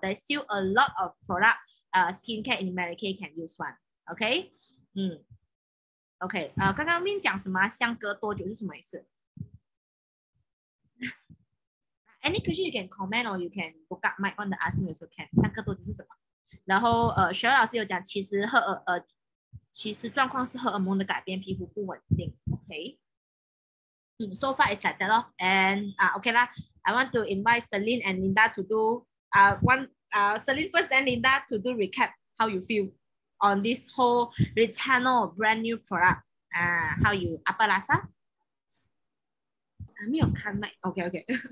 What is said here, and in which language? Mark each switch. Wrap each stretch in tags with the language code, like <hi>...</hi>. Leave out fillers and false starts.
<en>There's still a lot of product, skincare in America can use one. Okay? Okay.</en> <zh>刚刚Min讲什么？相隔多久是什么意思？</zh> <en>Any question you can comment or you can book up mic on the ask me also can.</en> <zh>相隔多久是什么？然后雪儿老师有讲，其实状况是荷尔蒙的改变，皮肤不稳定。</zh> <en>Okay? So far it's like that, lor. And okay lah. I want to invite Celine and Linda to do Celine first, then Linda to do recap. How you feel on this whole retinol brand new product? How you?</en> <ms>Apa rasa?</ms> <en>I</en> <zh>没有看麦</zh> <en>Okay.</en>